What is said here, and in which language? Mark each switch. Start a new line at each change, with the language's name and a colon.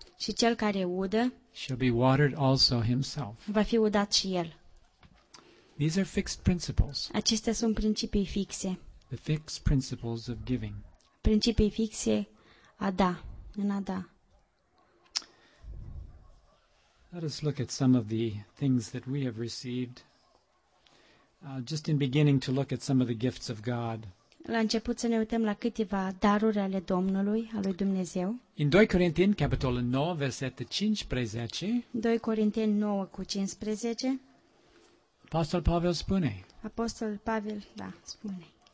Romanian: și cel care udă
English: shall be watered also himself,
Romanian: va fi udat și el.
English: These are fixed principles.
Romanian: Acestea sunt principii fixe.
English: The fixed principles of giving.
Romanian: Principii fixe a da, în a da.
English: Let us look at some of the things that we have received. Just in beginning to look at some of the gifts of God.
Romanian: La început să ne uităm la câteva daruri ale Domnului, al lui Dumnezeu. În 2 Corinteni capitolul 9, versetul 15. 2 Corinteni 9 cu 15. Apostol Pavel spune. Apostol Pavel, da, spune.